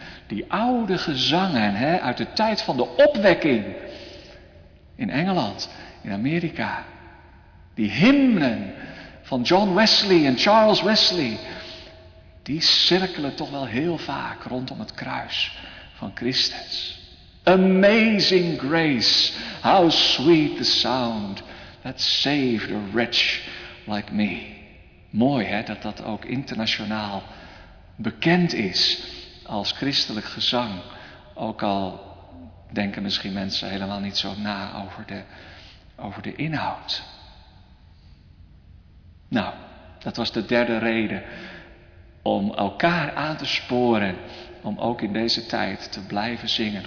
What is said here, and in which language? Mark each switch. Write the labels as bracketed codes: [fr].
[nl] Die oude gezangen, hè, uit de tijd van de opwekking in Engeland, in Amerika. Die hymnen van John Wesley en Charles Wesley, die cirkelen toch wel heel vaak rondom het kruis van Christus. [en] Amazing grace, how sweet the sound that saved a wretch like me. [nl] Mooi, hè, dat dat ook internationaal bekend is als christelijk gezang. Ook al denken misschien mensen helemaal niet zo na over de inhoud. Nou, dat was de derde reden om elkaar aan te sporen, om ook in deze tijd te blijven zingen.